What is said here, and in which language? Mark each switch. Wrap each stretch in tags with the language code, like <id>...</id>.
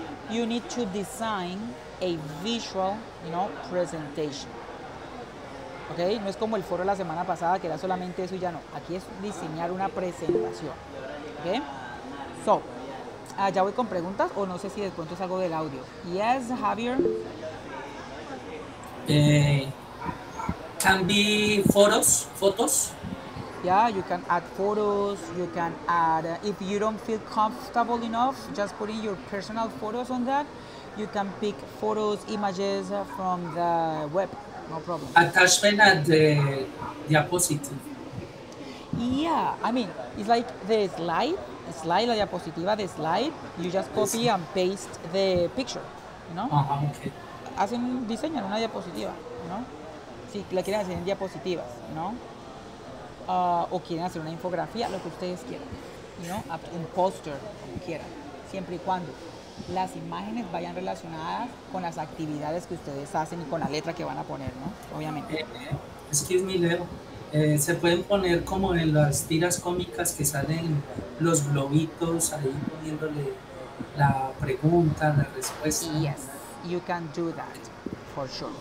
<en>You need to design a visual, you know, presentation. Okay?</en> <es>No es como el foro la semana pasada que era solamente eso y ya no. Aquí es diseñar una presentación. Okay? So, Ya voy con preguntas o no sé si de pronto es algo del audio.</es> <en>Yes, Javier. Can be photos. Yeah, you can add photos. You can add, if you don't feel comfortable enough, just putting your personal photos on that. You can pick photos, images from the web. No problem. Attachment at the diapositive. Yeah, I mean, it's like the slide,</en> <es>la diapositiva,</es> <en>the slide. You just copy and paste the picture, you know? Uh-huh, okay.</en> <es>Hacen diseño en una diapositiva, you know? Si la quieren hacer en diapositivas, you know? O quieren hacer una infografía, lo que ustedes quieran, you know? Un poster, como quieran, siempre y cuando las imágenes vayan relacionadas con las actividades que ustedes hacen y con la letra que van a poner, ¿no? Obviamente.</es> <en>Excuse me, Leo.</en> <es>Se pueden poner como en las tiras cómicas que salen los globitos ahí poniéndole la pregunta, la respuesta.</es> <en>Yes, you can do that, for sure.</en>